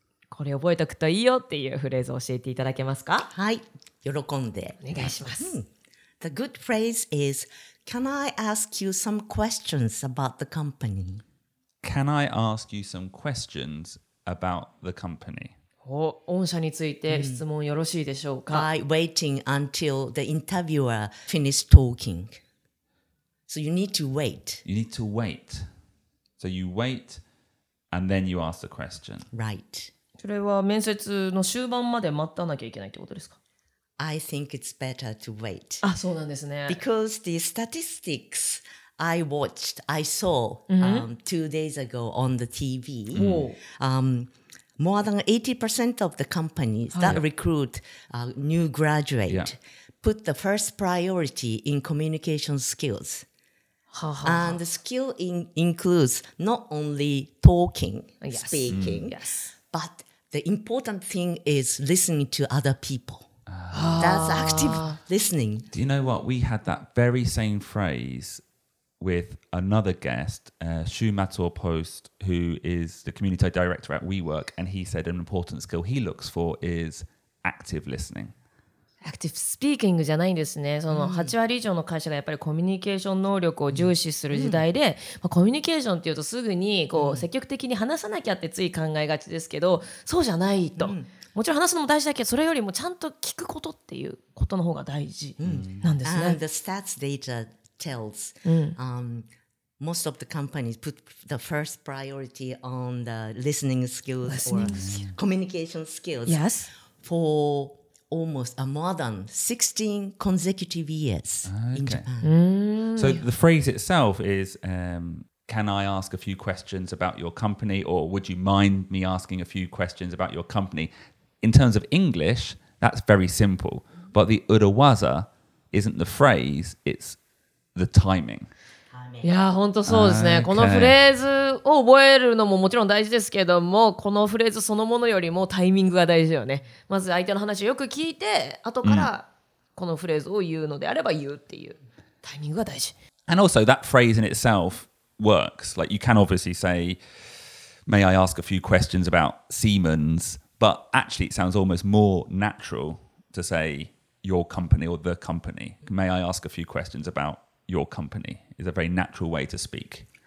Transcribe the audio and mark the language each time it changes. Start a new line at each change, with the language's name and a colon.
Japanese: これ覚えておくといいよっていうフレーズを教えていただけますか？はい、喜んでお願いします。
English: The good phrase is, can I ask you some questions about the company? Can I ask you some questions about the company?
Japanese: 御社について質問よろしいでしょうか？
English: By waiting until the interviewer finished talking. So you need to wait. You need to wait. So you wait and then you ask the question. Right.
Japanese: それは面接の終盤まで待たなきゃいけないってことですか?
English: I think it's better to wait.
Japanese: あ、そうなんですね。
English: Because the statistics I saw two days ago on the TV, more than 80% of the companies that recruit new graduate put the first priority in communication skills. And the skill includes not only talking, speaking, but The important thing is listening to other people. That's active listening. Do you know what? We had that very same phrase with another guest, Shumatsu Post, who is the community director at WeWork, and he said an important skill he looks for is active listening.
Japanese: Active speaking じゃないんですね。その8割以上の会社がやっぱりコミュニケーション能力を重視する時代で、まあ、コミュニケーションっていうとすぐにこう積極的に話さなきゃってつい考えがちですけど、そうじゃないと。もちろん話すのも大事だけど、それよりもちゃんと聞くことっていうことの方が大事なんですね。
English: And the stats data tells, most of the companies put the first priority on the listening skills listening or skills. communication skills. Yes. For almost a more than 16 consecutive years in Japan. So the phrase itself is, can I ask a few questions about your company, or would you mind me asking a few questions about your company? In terms of English, that's very simple. But the urawaza isn't the phrase, it's the timing.
Japanese: いや本当そうですね、okay. このフレーズを覚えるのももちろん大事ですけども、このフレーズそのものよりもタイミングが大事よね。まず相手の話をよく聞いて、後からこのフレーズを言うのであれば言うっていうタイミングが大事。
English: And also that phrase in itself works. Like you can obviously say, may I ask a few questions about Siemens? But actually it sounds almost more natural to say your company or the company. May I ask a few questions aboutYour company is a very natural way to speak.